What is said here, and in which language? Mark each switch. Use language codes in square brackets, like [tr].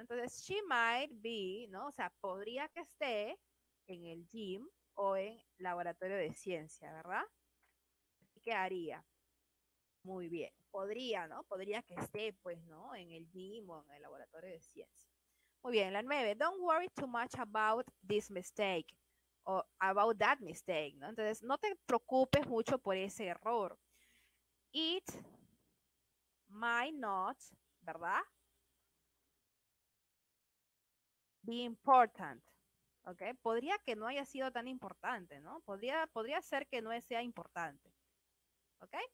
[es] Entonces, [en] she might be, [es] ¿no? O sea, podría que esté en el gym o en laboratorio de ciencia, ¿verdad? ¿Qué haría? Muy bien. Podría, ¿no? Podría que esté, pues, ¿no? En el gym o en el laboratorio de ciencia. Muy bien, la 9. [en] Don't worry too much about this mistake o about that mistake, ¿no? [es] Entonces, no te preocupes mucho por ese error. [en] It might not, [es] ¿verdad? [en] Be important. [es] ¿Ok? Podría que no haya sido tan importante, ¿no? Podría ser que no sea importante. ¿Ok?